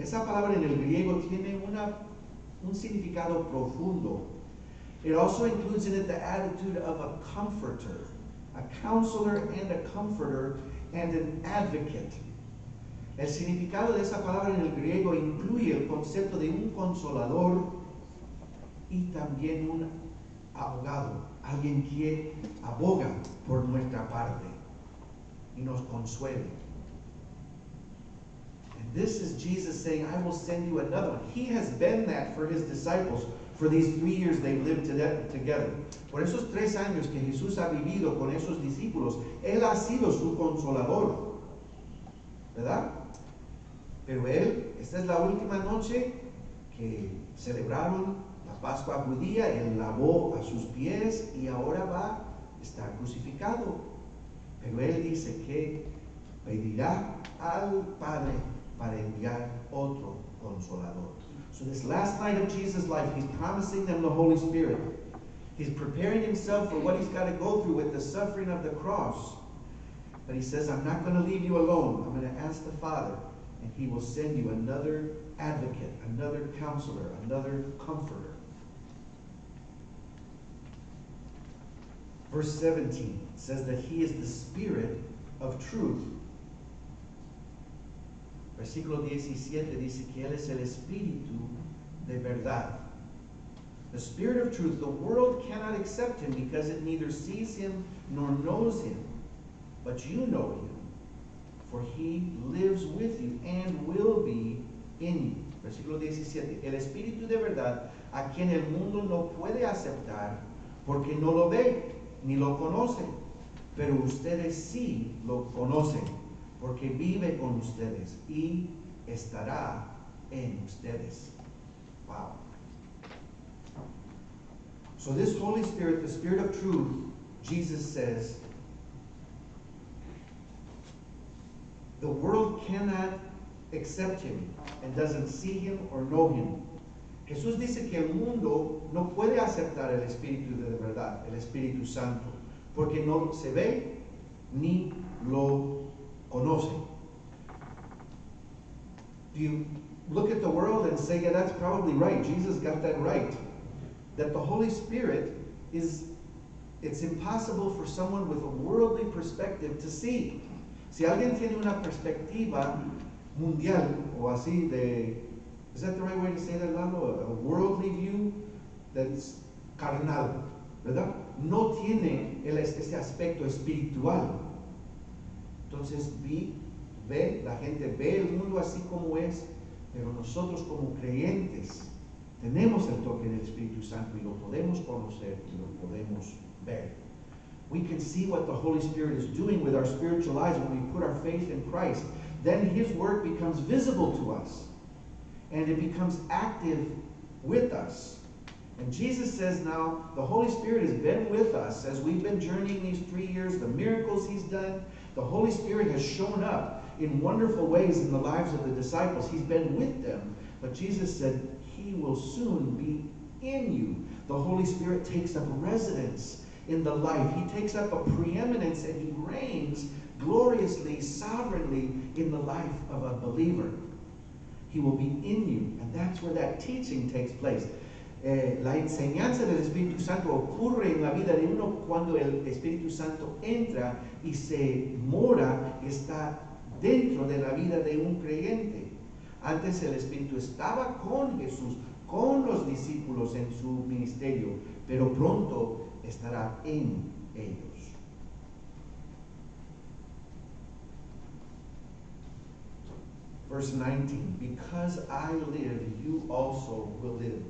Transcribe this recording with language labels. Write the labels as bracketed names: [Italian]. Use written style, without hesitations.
[Spanish] Esa palabra en el griego tiene un significado profundo. [English] It also includes in it the attitude of a comforter, a counselor and a comforter and an advocate. [Spanish] El significado de esa palabra en el griego incluye el concepto de un consolador y también un abogado, alguien que aboga por nuestra parte y nos consuela. [English] And this is Jesus saying, I will send you another one. He has been that for his disciples, for For these 3 years they lived together. [Spanish] Por esos 3 años que Jesús ha vivido con esos discípulos, Él ha sido su consolador. ¿Verdad? Pero Él, esta es la última noche que celebraron la Pascua judía, Él lavó a sus pies y ahora va a estar crucificado. Pero Él dice que pedirá al Padre para enviar otro consolador. [English] So this last night of Jesus' life, He's promising them the Holy Spirit. He's preparing Himself for what He's got to go through with the suffering of the cross. But He says, I'm not going to leave you alone. I'm going to ask the Father, and He will send you another advocate, another counselor, another comforter. Verse 17 says that He is the Spirit of truth. [Spanish] Versículo 17 dice que Él es el Espíritu de verdad. [English] The Spirit of truth, the world cannot accept Him because it neither sees Him nor knows Him. But you know Him, for He lives with you and will be in you. [Spanish] Versículo 17, el Espíritu de verdad, a quien el mundo no puede aceptar, porque no lo ve ni lo conoce. Pero ustedes sí lo conocen, porque vive con ustedes y estará en ustedes. [English] Wow. So this Holy Spirit, the Spirit of truth, Jesus says, the world cannot accept Him and doesn't see Him or know Him. [Spanish] Jesús dice que el mundo no puede aceptar el Espíritu de verdad, el Espíritu Santo, porque no se ve ni lo conoce. [English] Do you look at the world and say, yeah, that's probably right. Jesus got that right. That the Holy Spirit is, it's impossible for someone with a worldly perspective to see. [Spanish] Si alguien tiene una perspectiva mundial, o así de, [English] is that the right way to say that, Lalo? A worldly view that's carnal, [Spanish] ¿verdad? No tiene ese aspecto espiritual. Entonces, la gente ve el mundo así como es, pero nosotros como creyentes tenemos el toque del Espíritu Santo y lo podemos conocer y lo podemos ver. [English] We can see what the Holy Spirit is doing with our spiritual eyes when we put our faith in Christ. Then His work becomes visible to us and it becomes active with us. And Jesus says now, the Holy Spirit has been with us as we've been journeying these 3 years, the miracles He's done. The Holy Spirit has shown up in wonderful ways in the lives of the disciples. He's been with them. But Jesus said, He will soon be in you. The Holy Spirit takes up residence in the life. He takes up a preeminence and He reigns gloriously, sovereignly in the life of a believer. He will be in you. And that's where that teaching takes place. [Spanish] La enseñanza del Espíritu Santo ocurre en la vida de uno cuando el Espíritu Santo entra y se mora, está dentro de la vida de un creyente. Antes el Espíritu estaba con Jesús, con los discípulos en su ministerio, pero pronto estará en ellos. [English] Verse 19, because I live, you also will live.